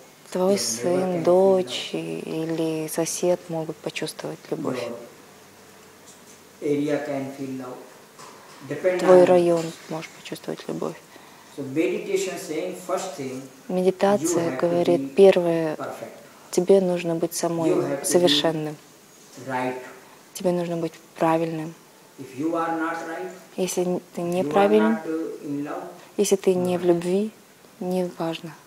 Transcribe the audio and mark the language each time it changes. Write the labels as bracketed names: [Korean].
[Russian] Твой сын, дочь или сосед могут почувствовать любовь. [English] Area can feel love. Depend [Russian] твой район можешь почувствовать любовь. [English] So meditation saying first thing, [Russian] медитация говорит, первое, тебе нужно быть самой, совершенным. [English] Right. [Russian] Тебе нужно быть правильным. [English] If you are not right, [Russian] если ты неправильный, [English] you are not in love, [Russian] если ты не в любви, не важно.